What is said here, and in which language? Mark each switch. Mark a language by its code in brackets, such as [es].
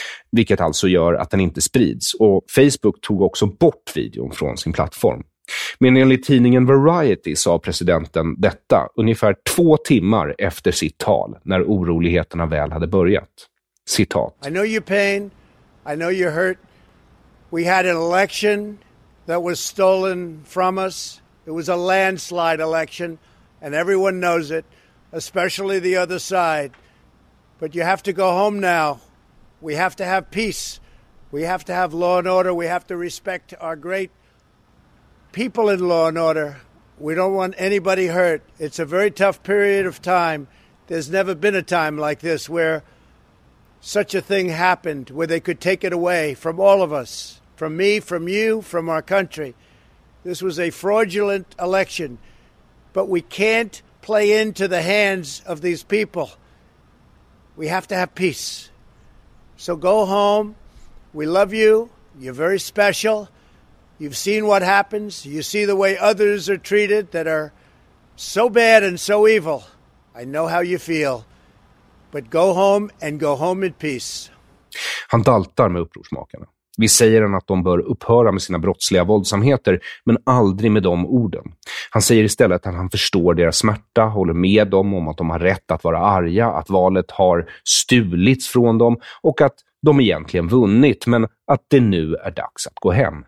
[sv] Vilket alltså gör att den inte sprids. Och Facebook tog också bort videon från sin plattform. Men enligt tidningen Variety sa presidenten detta ungefär 2 timmar efter sitt tal när oroligheterna väl hade börjat. Citat. [en] I know your pain. I know you're hurt. We had an election that was stolen from us. It was a landslide election and everyone knows it, especially the other side. But you have to go home now. We have to have peace. We have to have law and order. We have to respect our great people in law and order. We don't want anybody hurt. It's a very tough period of time. There's never been a time like this where such a thing happened, where they could take it away from all of us, from me, from you, from our country. This was a fraudulent election, but we can't play into the hands of these people. We have to have peace. So go home, We love you. You're very special. You've seen what happens. You see the way others are treated that are so bad and so evil. I know how you feel. But go home and go home in peace. [sv] Han daltar med upprorsmakarna. Vi säger han att de bör upphöra med sina brottsliga våldsamheter, men aldrig med de orden. Han säger istället att han förstår deras smärta, håller med dem om att de har rätt att vara arga, att valet har stulits från dem och att de egentligen vunnit, men att det nu är dags att gå hem.